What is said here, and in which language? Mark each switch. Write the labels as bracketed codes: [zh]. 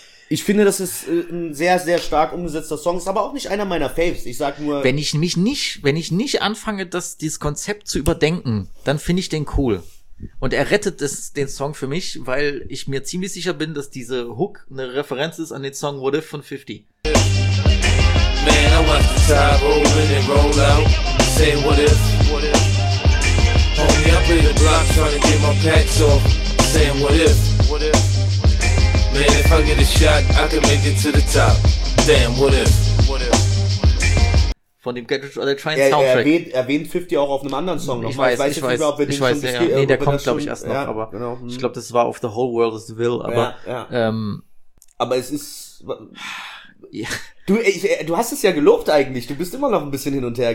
[de] Ich finde, das ist ein sehr, sehr stark umgesetzter Song. Ist aber auch nicht einer meiner Faves. Ich sag nur... Wenn ich nicht anfange, dieses Konzept zu überdenken, dann finde ich den cool. Und er rettet den Song für mich, weil ich mir ziemlich sicher bin, dass diese Hook eine Referenz ist an den Song What If von 50. [en] Man, I watch the tide rolling and roll out. Say what if, what if. Homie, I play the block trying to get my packs off. Saying what if, what if. Man, if I get a shot, I can make it to the top. Damn, what if, what if. [de] Von dem Gadget oder Trying Soundtrack. Erwähnt 50 auch auf einem anderen Song noch. Ich weiß nicht, nee, der kommt, glaube ich, erst noch. Ja, aber genau, ich glaube, das war auf The Whole World is the Will. Aber, ja, ja. Aber es ist... Ja. Du hast es ja gelobt eigentlich. Du bist immer noch ein bisschen hin und her